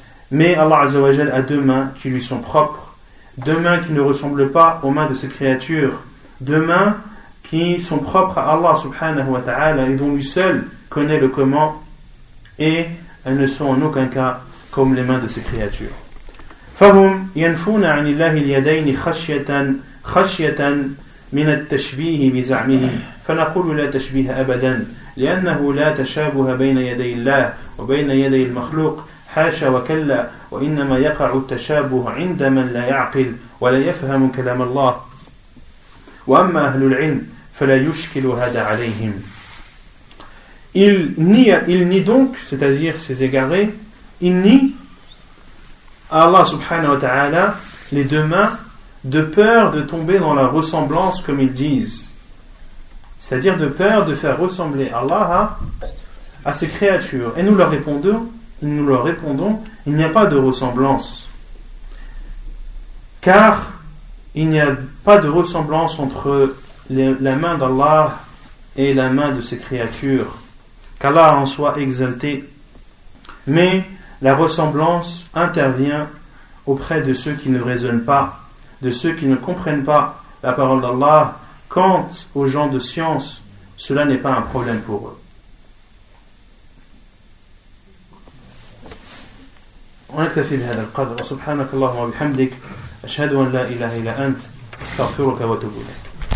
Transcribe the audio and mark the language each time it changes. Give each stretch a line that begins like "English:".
French: Mais Allah Azza wa Jal a deux mains qui lui sont propres. Deux mains qui ne ressemblent pas aux mains de ces créatures, deux mains qui sont propres à Allah subhanahu wa ta'ala et dont lui seul connaît le comment, et elles ne sont en aucun cas comme les mains de ces créatures.
Arabic: فهم ينفون عن الله اليدين خشية من التشبيه بزعمه فنقول لا تشبيه أبدا لأنه لا تشابه بين يدي الله وبين يدي المخلوق حاشا وكلا وإنما يقع التشابه عند من لا يعقل ولا يفهم كلام الله وأما أهل العلم فلا يشكل هذا عليهم.
French: il nie donc, c'est-à-dire ses égarés, il nie à Allah subhanahu wa ta'ala les deux mains, de peur de tomber dans la ressemblance, comme ils disent. C'est-à-dire de peur de faire ressembler Allah à ses créatures. Et nous leur répondons, il n'y a pas de ressemblance. Car il n'y a pas de ressemblance entre la main d'Allah et la main de ses créatures. Qu'Allah en soit exalté. Mais la ressemblance intervient auprès de ceux qui ne raisonnent pas, de ceux qui ne comprennent pas la parole d'Allah. Quant aux gens de science, cela n'est pas un problème pour eux.
Arabic: ونكتفي بهذا القدر. سبحانك اللهم وبحمدك، أشهد أن لا إله إلا أنت، أستغفرك وأتوب إليك.